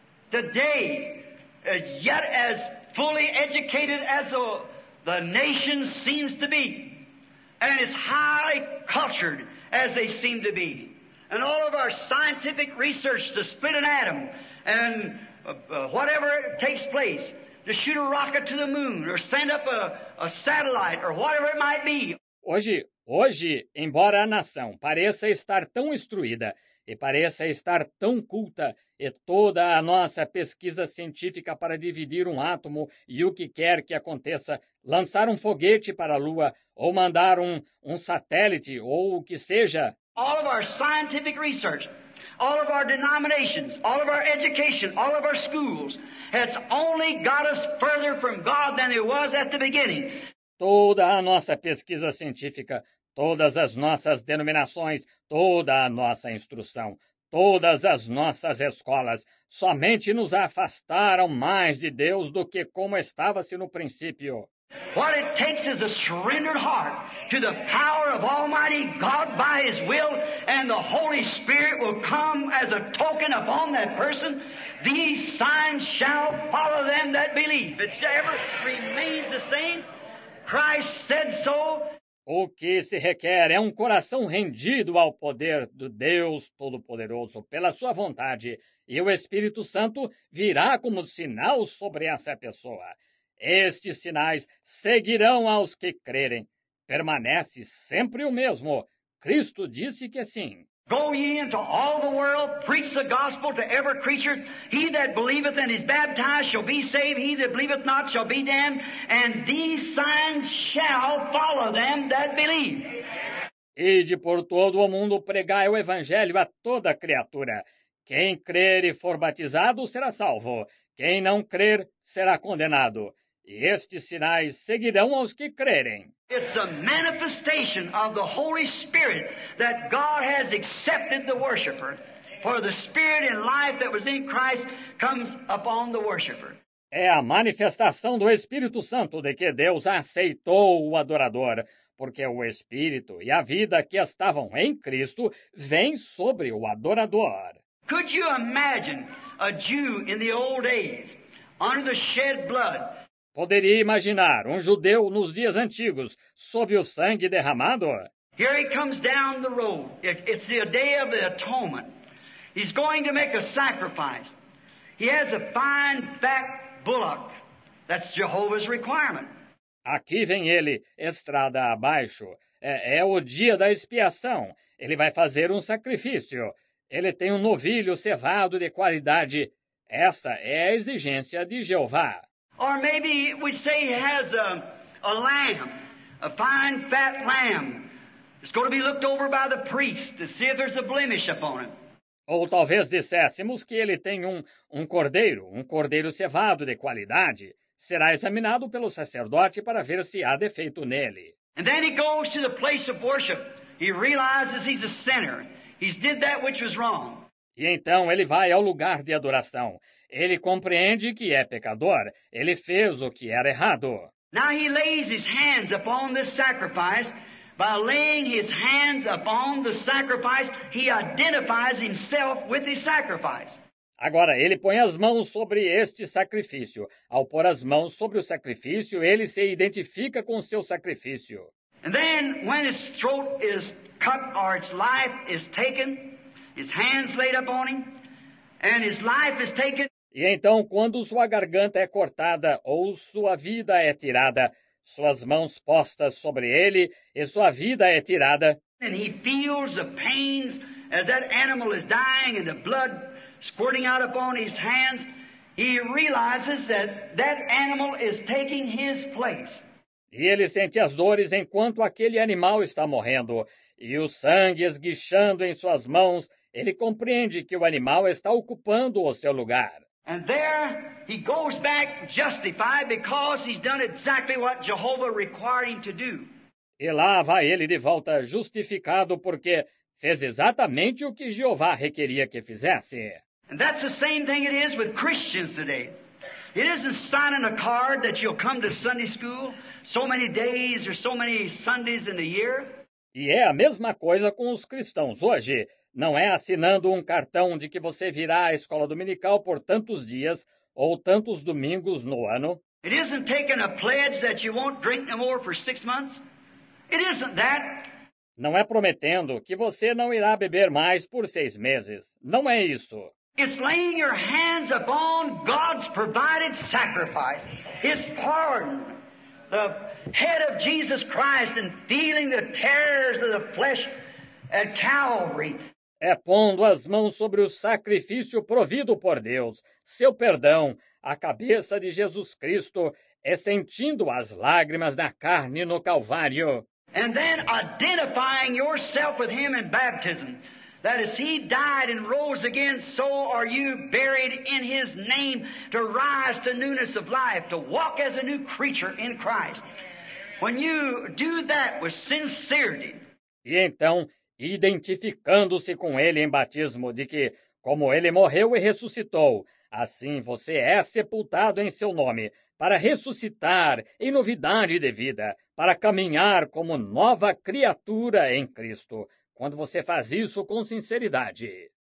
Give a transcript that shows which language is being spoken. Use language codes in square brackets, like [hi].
[en] Today, yet as fully educated as the nation seems to be, and as highly cultured as they seem to be, and all of our scientific research to split an atom, and whatever takes place, to shoot a rocket to the moon, or send up a satellite, or whatever it might be. [pt] Hoje, embora a nação pareça estar tão instruída e pareça estar tão culta, e toda a nossa pesquisa científica para dividir um átomo e o que quer que aconteça, lançar um foguete para a Lua, ou mandar um satélite, ou o que seja. [en] All of our scientific research, all of our denominations, all of our education, all of our schools, it's only got us further from God than it was at the beginning. [pt] Toda a nossa pesquisa científica, todas as nossas denominações, toda a nossa instrução, todas as nossas escolas, somente nos afastaram mais de Deus do que como estava-se no princípio. [en] What it takes is a surrendered heart to the power of Almighty God by His will, and the Holy Spirit will come as a token upon that person. These signs shall follow them that believe. It ever remains the same. Christ said so. [pt] O que se requer é um coração rendido ao poder do Deus Todo-Poderoso pela sua vontade, e o Espírito Santo virá como sinal sobre essa pessoa. Estes sinais seguirão aos que crerem. Permanece sempre o mesmo. Cristo disse que sim. [en] Go ye into all the world, preach the gospel to every creature. He that believeth and is baptized shall be saved. He that believeth not shall be damned. And these signs shall follow them that believe. [pt] Ide por todo o mundo, pregai o evangelho a toda criatura. Quem crer e for batizado será salvo. Quem não crer será condenado. E estes sinais seguirão aos que crerem. [en] It's a manifestation of the Holy Spirit that God has accepted the worshiper. For the Spirit and life that was in Christ comes upon the worshiper. [pt] É a manifestação do Espírito Santo de que Deus aceitou o adorador, porque o Espírito e a vida que estavam em Cristo vêm sobre o adorador. [en] Could you imagine a Jew in the old days, under the shed blood? [pt] Poderia imaginar um judeu nos dias antigos, sob o sangue derramado? [en] Here he comes down the road. It's the day of the atonement. He's going to make a sacrifice. He has a fine fat bullock. That's Jehovah's requirement. [pt] Aqui vem ele, estrada abaixo. É o dia da expiação. Ele vai fazer um sacrifício. Ele tem um novilho cevado de qualidade. Essa é a exigência de Jeová. [en] Or maybe we say he has a lamb, a fine fat lamb. It's going to be looked over by the priest to see if there's a blemish upon it. [pt] Ou talvez disséssemos que ele tem um cordeiro cevado de qualidade. Será examinado pelo sacerdote para ver se há defeito nele. [en] And then he goes to the place of worship. He realizes he's a sinner. He's did that which was wrong. [pt] E então ele vai ao lugar de adoração. Ele compreende que é pecador. Ele fez o que era errado. [en] Now he lays his hands upon this sacrifice. By laying his hands upon the sacrifice, he identifies himself with the sacrifice. [pt] Agora ele põe as mãos sobre este sacrifício. Ao pôr as mãos sobre o sacrifício, ele se identifica com o seu sacrifício. [en] And then when his throat is cut or its life is taken, his hands laid upon him, and his life is taken. [pt] E então, quando sua garganta é cortada ou sua vida é tirada, suas mãos postas sobre ele e sua vida é tirada. [en] And he feels the pains as that animal is dying and the blood squirting out upon his hands. He realizes that that animal is taking his place. [pt] E ele sente as dores enquanto aquele animal está morrendo e o sangue esguichando em suas mãos. Ele compreende que o animal está ocupando o seu lugar. [en] And there he goes back justified because he's done exactly what Jehovah required him to do. [pt] E lá vai ele de volta justificado porque fez exatamente o que Jeová requeria que fizesse. [en] And that's the same thing it is with Christians today. It isn't signing a card that you'll come to Sunday school so many days or so many Sundays in a year. [pt] E é a mesma coisa com os cristãos hoje. Não é assinando um cartão de que você virá à escola dominical por tantos dias ou tantos domingos no ano. [en] It isn't taking a pledge that you won't drink no more for 6 months. It isn't that. [pt] Não é prometendo que você não irá beber mais por 6 meses. Não é isso. [en] It's laying your hands upon God's provided sacrifice, His pardon, the head of Jesus Christ, and feeling the terrors of the flesh at Calvary. [pt] É pondo as mãos sobre o sacrifício provido por Deus, seu perdão, a cabeça de Jesus Cristo, é sentindo as lágrimas da carne no Calvário. [en] And then identifying yourself with him in baptism, that as he died and rose again, so are you buried in his name to rise to newness of life, to walk as a new creature in Christ. When you do that with sincerity, [pt] e então, identificando-se com ele em batismo de que, como ele morreu e ressuscitou, assim você é sepultado em seu nome, para ressuscitar em novidade de vida, para caminhar como nova criatura em Cristo, quando você faz isso com sinceridade.